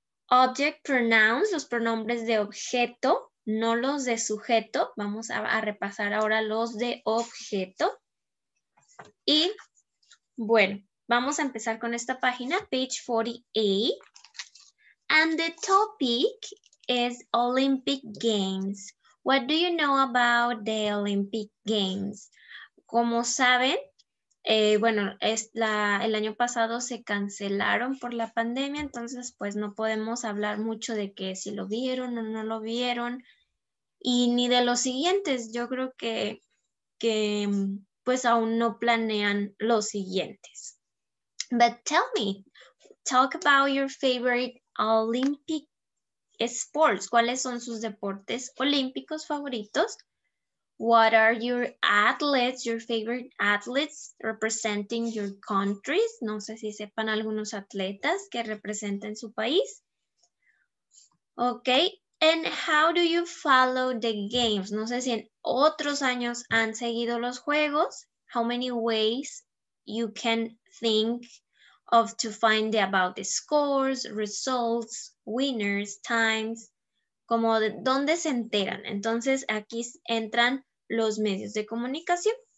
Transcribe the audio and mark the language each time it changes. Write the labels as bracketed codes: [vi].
[en] Object pronouns, [es] los pronombres de objeto. No los de sujeto, vamos a repasar ahora los de objeto. Y bueno, vamos a empezar con esta página, page 48. [en] And the topic is Olympic Games. What do you know about the Olympic Games? [es] Como saben, bueno, el año pasado se cancelaron por la pandemia, entonces pues no podemos hablar mucho de que si lo vieron o no lo vieron. Y ni de los siguientes, yo creo que pues aún no planean los siguientes. [en] But tell me, talk about your favorite Olympic sports. [es] ¿Cuáles son sus deportes olímpicos favoritos? [en] What are your athletes, your favorite athletes representing your countries? [es] No sé si sepan algunos atletas que representen su país. Okay. [en] And how do you follow the games? [es] No sé si en otros años han seguido los juegos. [en] How many ways you can think of to find about the scores, results, winners, times. [es] Como de dónde se enteran. Entonces aquí entran los medios de comunicación.